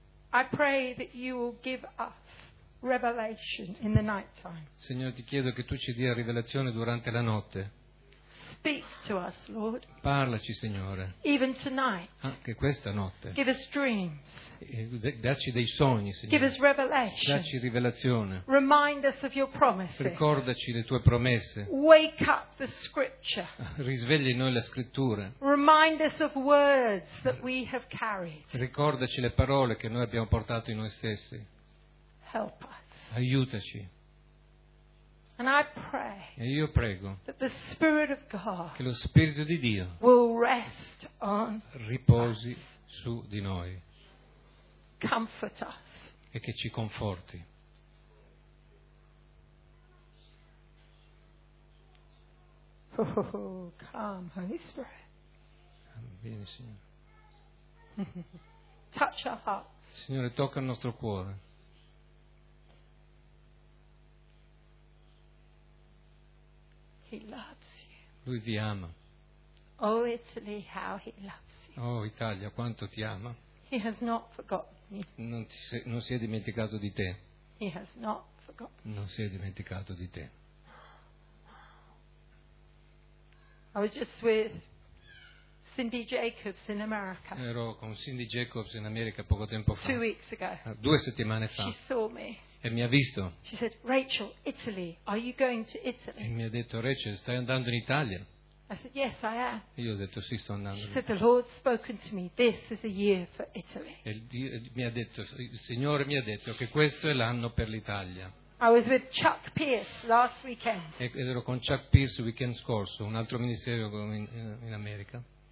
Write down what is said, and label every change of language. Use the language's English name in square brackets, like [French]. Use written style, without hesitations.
[English] I pray that you will give us revelation in the nighttime. [Italian] Signore, ti chiedo che tu ci dia rivelazione durante la notte. [English] Speak to us, Lord. [Italian] Parlaci, Signore. [English] Even tonight. [Italian] Anche questa notte. [English] Give us dreams. [Italian] Dacci dei sogni, Signore. [English] Give us revelation. [Italian] Dacci rivelazione. [English] Remind us of your promises. [Italian] Ricordaci le tue promesse. [English] Wake up the scripture. [Italian] Risvegli noi la scrittura. [English] Remind us of words that we have carried. [Italian] Ricordaci le parole che noi abbiamo portato in noi stessi. [English] Help us. [Italian] Aiutaci. [English] And I pray. [Italian] E io prego. [English] That the Spirit of God. [Italian] Che lo Spirito di Dio. [English] Will rest on. [Italian] Riposi su di noi. [English] Comfort us. [Italian] E che ci conforti. [English] Oh, come Holy Spirit. [Italian] Vieni, Signore. [English] Touch our hearts. [Italian] Signore, tocca il nostro cuore. [English] He loves you. [Italian] Lui vi ama. [English] Oh, Italy, how he loves you. [Italian] Oh, Italia, quanto ti ama. [English] He has not forgotten me. [Italian] Non si è dimenticato di te. [English] He has not forgotten. [Italian] Non si è dimenticato di te. [English] I was just with Cindy Jacobs in America. [Italian] Ero con Cindy Jacobs in America poco tempo fa. [English] 2 weeks ago. [Italian] 2 settimane fa. [English] She saw me. [Italian] E mi ha visto. [English] She said, Rachel, Italy, are you going to Italy? [Italian] E mi ha detto, Rachel, stai andando in Italia? [English] I said, yes, I am. [Italian] E io ho detto, sì, sto andando. [English] She said, the Lord's spoken to me, this is a year for Italy. [Italian] E mi ha detto, il Signore mi ha detto che questo è l'anno per l'Italia. [English] I was with Chuck Pierce last weekend. [Italian] Ed ero con Chuck Pierce il weekend scorso, un altro ministero in America.